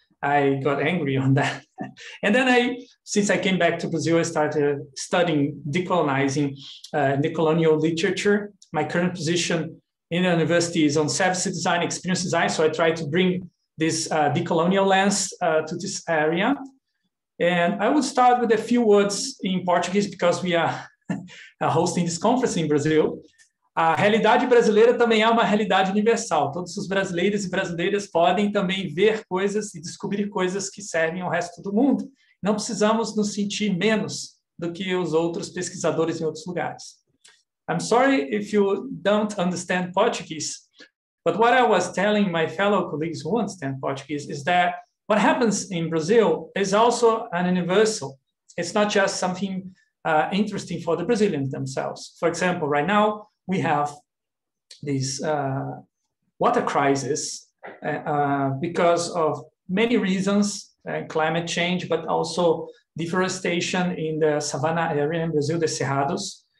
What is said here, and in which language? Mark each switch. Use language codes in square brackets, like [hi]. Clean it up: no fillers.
[en] I got angry on that. And then since I came back to Brazil, I started studying decolonizing the colonial literature. My current position in the university is on service design, experience design. So I try to bring this decolonial lens to this area. And I would start with a few words in Portuguese because we are hosting this conference in Brazil. [pt] A realidade brasileira também é uma realidade universal. Todos os brasileiros e brasileiras podem também ver coisas e descobrir coisas que servem ao resto do mundo. Não precisamos nos sentir menos do que os outros pesquisadores em outros lugares. [en] I'm sorry if you don't understand Portuguese, but what I was telling my fellow colleagues who understand Portuguese is that what happens in Brazil is also an universal. It's not just something interesting for the Brazilians themselves. For example, right now, we have this water crisis because of many reasons, climate change, but also deforestation in the savanna area in Brazil, the Cerrados.